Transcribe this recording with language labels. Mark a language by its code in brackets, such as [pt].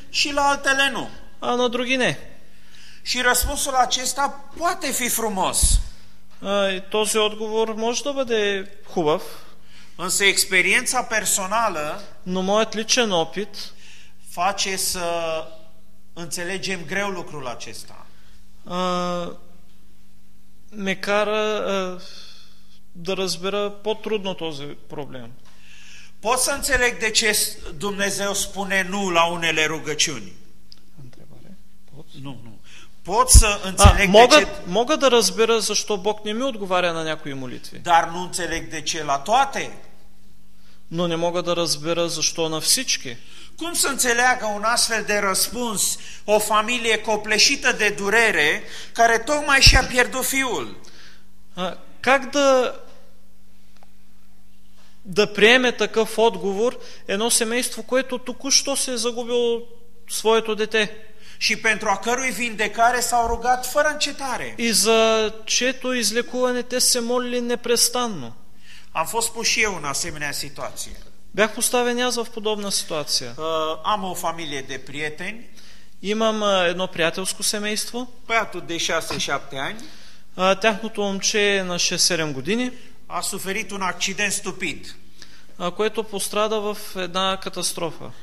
[ro] Și la altele nu. [bg] А на други не. [ro] Și răspunsul acesta poate fi frumos. [bg] Този отговор може да бъде хубав. [ro] Însă experiența personală. [bg] Но моят личен опит. [ro] Face să înțelegem greu lucrul acesta. [bg] Ме кара да разбера по-трудно този проблем. [ro] Pot să înțeleg de ce Dumnezeu spune nu la unele rugăciuni. Întrebare? Pot? Nu. Pot să înțeleg [bg] мога да разбера защо Бог не ми отговаря на някои молитви. [ro] Dar nu înțeleg de ce la toate. [bg] Но не мога да разбера защо на всички. [ro] Cum să înțeleagă un astfel de răspuns o familie copleșită de durere care tocmai și-a pierdut fiul? [bg] Как да приеме такъв отговор едно семейство, което току-що се е загубило своето дете? [ro] Și pentru a cărui vindecare s-au rugat fără încetare. [bg] И за чието излекуване те се молили непрестанно. [ro] Am fost pus și eu în asemenea situație. [bg] Бях поставен аз в подобна ситуация. [ro] Am o familie de prieteni. [bg] Имам едно приятелско семейство. [ro] Băiatul de 6-7 ani. [bg] Тяхното момче е на 6-7 години. [ro] A suferit un accident stupid. [bg] Което пострада в една катастрофа.